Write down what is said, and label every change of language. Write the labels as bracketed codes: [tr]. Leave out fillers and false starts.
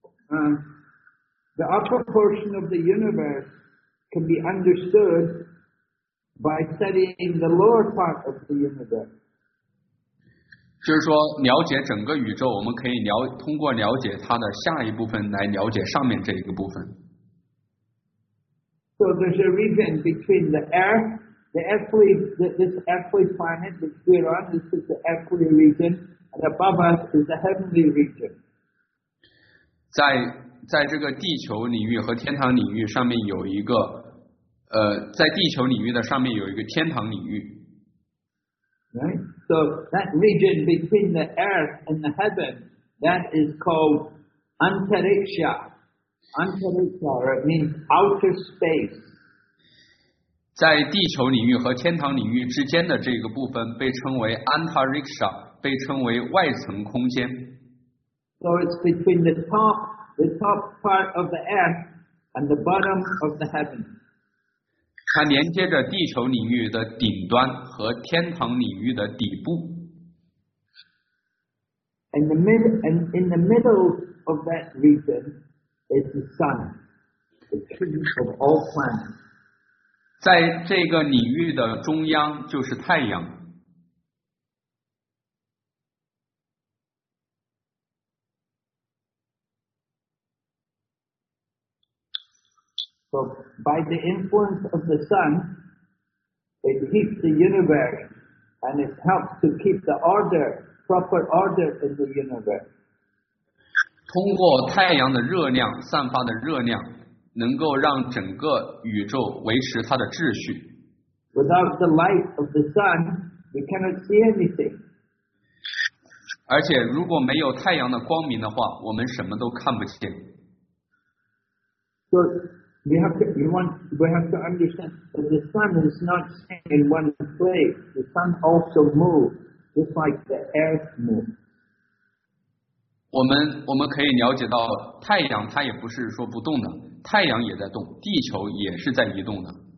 [en] The upper portion of the universe can be understood by studying the lower part of the universe. [zh] 就是说了解整个宇宙，我们可以了通过了解它的下一部分来了解上面这一个部分。 [en] So there's a region between the Earth, the earthly, this earthly planet that we're on, this is the earthly region, and above us is the heavenly region. [zh] 在这个地球领域和天堂领域上面有一个，在地球领域的上面有一个天堂领域。 [en] Right. So that region between the Earth and the heaven, that is called Antariksha. Antariksha, it means outer space. [zh] 在地球领域和天堂领域之间的这个部分被称为 Antariksha, 被称为外层空间。 [en] So it's between the top part of the earth and the bottom of the heaven. [zh] 它连接着地球领域的顶端和天堂领域的底部。 [en] In the middle of that region,It's the sun, the tree of all planets. [zh] 在这个领域的中央就是太阳。 [en] So by the influence of the sun, it heats the universe and it helps to keep the order, proper order in the universe. [zh] 通过太阳的热量散发的热量能够让整个宇宙维持它的秩序。 [en] Without the light of the sun, we cannot see anything. [zh] 而且如果没有太阳的光明的话，我们什么都看不见。 [en] So, we have to understand that the sun is not staying in one place. The sun also moves, just like the earth moves. [zh] 我们可以了解到太阳它也不是说不动的，太阳也在动，地球也是在移动的。